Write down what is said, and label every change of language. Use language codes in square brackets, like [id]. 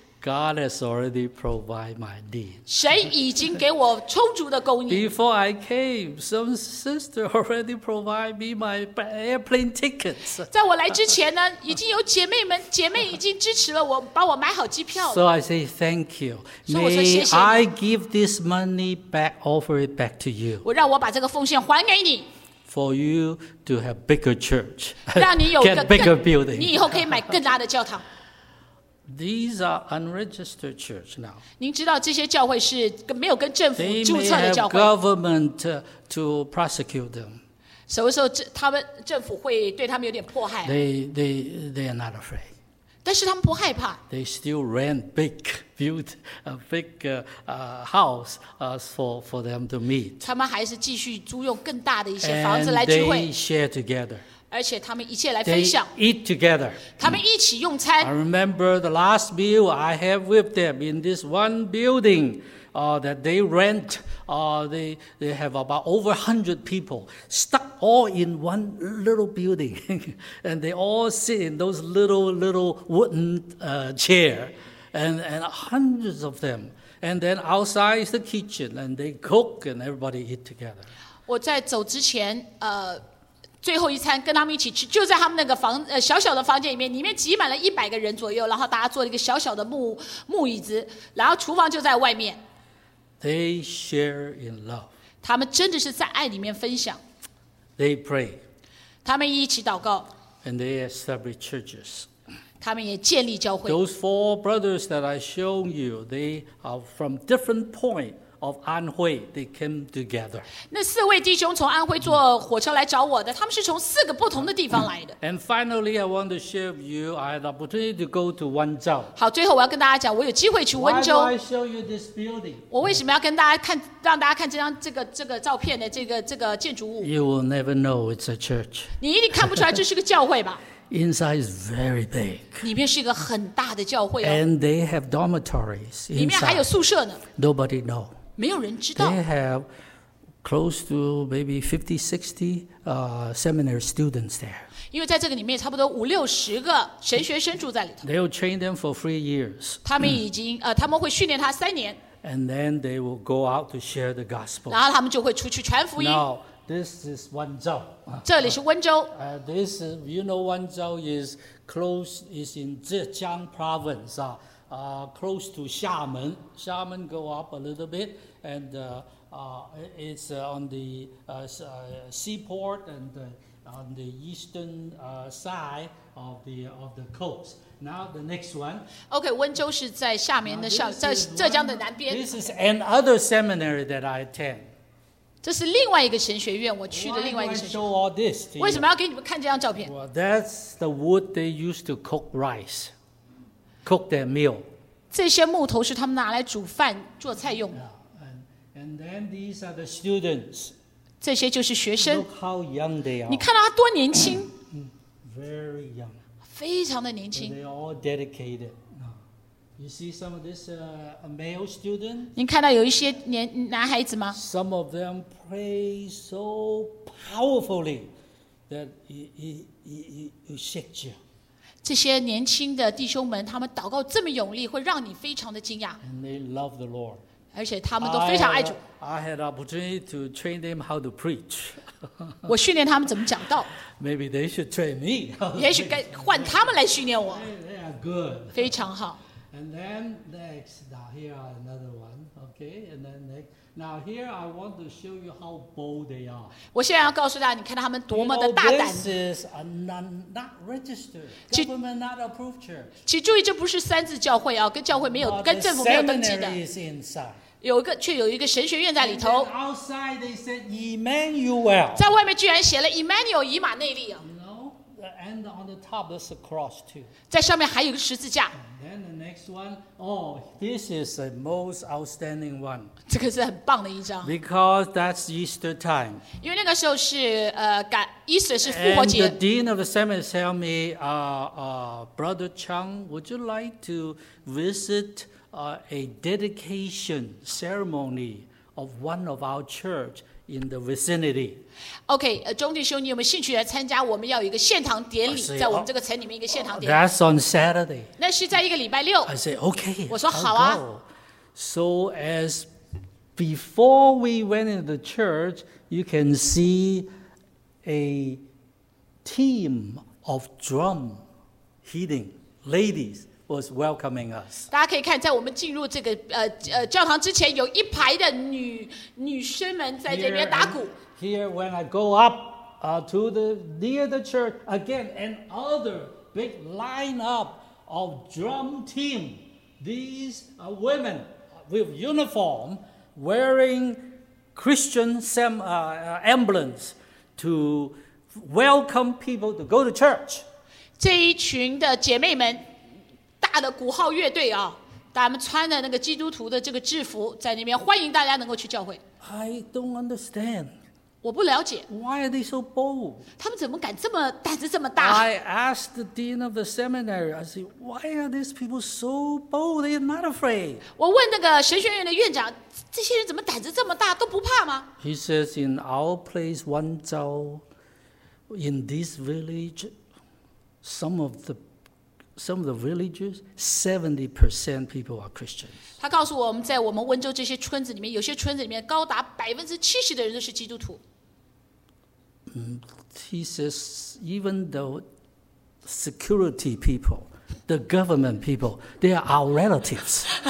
[en] God has already provided my need. [zh] 神已经给我充足的供应。 [en] Before I came, some sister already provided me my airplane tickets. [zh] 在我来之前呢，已经有姐妹已经支持了我，帮我买好机票了。 [en] So I say thank you. [zh] 所以我说谢谢你。 [en] May I give this money back, offer it back to you. [zh] 我让我把这个奉献还给你。 [en] For you to have bigger church, [zh] 让你有一个 [en] get bigger building. [zh] 你以后可以买更大的教堂。 [en] These are unregistered church now. [zh] 您知道这些教会是没有跟政府注册的教会。 [en] They may have government to prosecute them. [zh] 什么时候他们政府会对他们有点迫害？ [en] They are not afraid. [zh] 但是他们不害怕。 [en] They still rent big, build a big house for them to meet. [zh] 他们还是继续租用更大的一些房子来聚会。 [en] And they share together. [zh] 而且他们一切来分享。 [en] They eat together. [zh] 他们一起用餐。 [en] I remember the last meal I have with them in this one building, that they rent, They have about over 100 people stuck all in one little building. And they all sit in those little wooden chair. And hundreds of them. And then outside is the kitchen. And they cook and everybody eat together. [zh] 我在走之前, 最后一餐跟他们一起吃，就在他们那个房小小的房间里面，里面挤满了100个人左右，然后大家坐了一个小小的木椅子，然后厨房就在外面。 [en] They share in love. [zh] 他们真的是在爱里面分享。 [en] They pray. [zh] 他们一起祷告。 [en] And they establish churches. [zh] 他们也建立教会。 [en] Those four brothers that I shown you, they are from different point. Of Anhui, they came together. [zh] 那四位弟兄从安徽坐火车来找我的，他们是从四个不同的地方来的。 [en] And finally, I want to share with you, I had the opportunity to go to Wenzhou. [zh] 好，最后我要跟大家讲，我有机会去温州。 [en] Why do I show you this building? [zh] 我为什么要跟大家看，让大家看这张这个照片的这个建筑物 [en] ？You will never know it's a church. [zh] 你一定看不出来这是个教会吧？ [en] Inside is very big. [zh] 里面是一个很大的教会。 [en] And they have dormitories inside. [zh] 里面还有宿舍呢。 [en] Nobody know. [zh] 没有人知道。 [en] They have close to maybe 50, 60, seminary students there. [zh] 因为在这个里面差不多五六十个神学生住在里头。 [en] They will train them for 3 years. [zh] 他们已经他们会训练他3年。 [en] And then they will go out to share the gospel. [zh] 然后他们就会出去传福音。 [en] Now, this is Wenzhou. [zh] 这里是温州。 [en] This is, you know, Wenzhou is close, is in Zhejiang province, close to Xiamen. Xiamen go up a little bit, and it's on the seaport and on the eastern side of the coast. Now the next one. [zh] Okay, 温州是在厦门的上，在浙江的南边。 [en] This is another seminary that I attend. [zh] 这是另外一个神学院，我去的另外一个神学院。 [en] Why do I show all this to you? [zh] 为什么要给你们看这张照片？ [en] Well, that's the wood they used to cook rice. Cook their meal. [zh] 这些木头是他们拿来煮饭做菜用的。 [en] And then these are the students. [zh] 这些就是学生。 [en] Look how young they are. [zh] 你看到他多年轻。 [en] Very young. [zh] 非常的年轻。 [en] They all dedicated. You see some of this male students? [zh] 你看到有一些男孩子吗？ [en] Some of them pray so powerfully that it shakes you. [zh] 这些年轻的弟兄们，他们祷告这么有力，会让你非常的惊讶。 [en] And they love the Lord. [zh] 而且他们都非常爱主。 [en] I had opportunity to train them how to preach. [zh] 我训练他们怎么讲道。 [en] Maybe they should train me. [zh] 也许该换他们来训练我。 [en] They are good. [zh] 非常好。 [en] And then next, now here are another one. Okay, and then next. Now here I want to show you how bold they are. [zh] 我现在要告诉大家，你看他们多么的大胆。 [en] This is a not registered, government not approved church. [zh] 请注意，这不是三自教会啊，跟教会没有，跟政府没有登记的。 [en] The seminary is inside. [zh] 有一个，却有一个神学院在里头。 [en] And then outside they said Emmanuel. [zh] 在外面居然写了 Emmanuel 以马内利啊。 [en] And on the top, there's a cross too. [zh] 在上面还有个十字架。 [en] Then the next one, oh, this is the most outstanding one. [zh] 这个是很棒的一张。 [en] Because that's Easter time. [zh] 因为那个时候是赶 Easter 是复活节。 [en] And the dean of the seminary tell me, Brother Chang, would you like to visit a dedication ceremony of one of our church? In the vicinity. [zh] Okay, 中弟兄，你有没有兴趣来参加？我们要一个献堂典礼，在我们这个城里面一个献堂典礼。 [en] That's on Saturday. [zh] 那是在一个礼拜六。 [en] I say okay. [zh] 我说好啊。 [en] So as before we went into the church, you can see a team of drum hitting ladies. Was welcoming us. [zh] 大家可以看，在我们进入这个教堂之前，有一排的女生们在这边打鼓。 [en] Here when I go up, to the near the church again, another big lineup of drum team. These are women with uniform, wearing Christian emblems to welcome people to go to church. [zh] 这一群的姐妹们。大的鼓号乐队啊，他们穿着那个基督徒的这个制服，在那边欢迎大家能够去教会。 [en] I don't understand. [zh] 我不了解。 [en] Why are they so bold? [zh] 他们怎么敢这么胆子这么大 [en] ？I asked the dean of the seminary. I said, Why are these people so bold? They are not afraid. [zh] 我问那个神学院的院长，这些人怎么胆子这么大，都吗? [en] He says, in our place, Wanzhou, in this village, some of the villages, 70% people are Christians. [zh] 他告诉我们在我们温州这些村子里面，有些村子里面高达70%的人都是基督徒。 [en] He says, even though security people, the government people, they are our relatives.